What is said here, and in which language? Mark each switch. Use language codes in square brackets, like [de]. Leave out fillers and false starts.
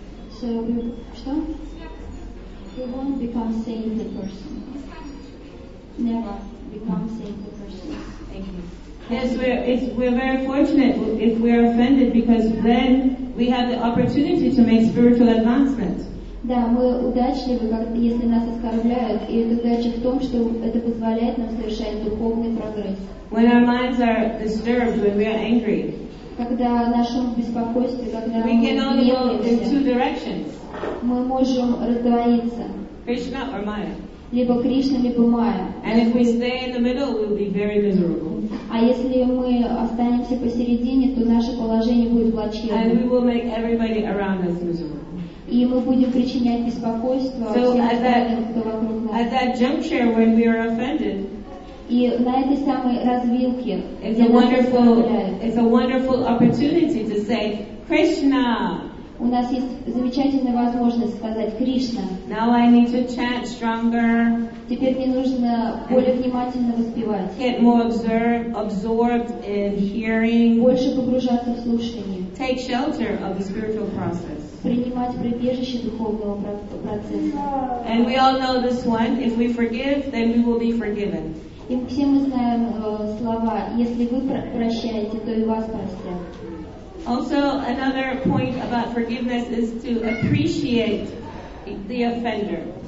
[en] So we won't become saint person. Never become saint person. Thank you. Yes, we're very fortunate if we're offended, because then we have the opportunity to make spiritual advancement. [ru] Да, мы удачливы, если нас оскорбляют, и это удача в том, что это позволяет нам совершать духовный прогресс. [en] When our minds are disturbed, when we are angry, [ru] когда наш ум в беспокойстве, когда [en] we can only go in two directions. [ru] Мы можем раздвоиться. [en] Кришна or Майя. [ru] Либо Кришна, либо Майя. [en] And if we stay in the middle, we'll be very miserable. [ru] А если мы останемся посередине, то наше положение будет плачевным. [en] And we will make everybody around us miserable. [ru] И мы будем причинять беспокойство [en] at that juncture when we are offended. [ru] И на этой самой развилке. [en] It's a wonderful opportunity to say Krishna. [ru] У нас есть замечательная возможность сказать Кришна. [en] Now I need to chant stronger. [ru] Теперь мне нужно более внимательно воспевать. [en] Get more absorbed in hearing. [ru] Больше погружаться в слушание. [en] Take shelter of the spiritual process. [ru] Принимать прибежище духовного процесса. [en] And we all know this one. If we forgive, then we will be forgiven. [ru] И все мы знаем слова. Если вы прощаете, то и вас простят. [en] Also, another point about forgiveness is to appreciate the offender.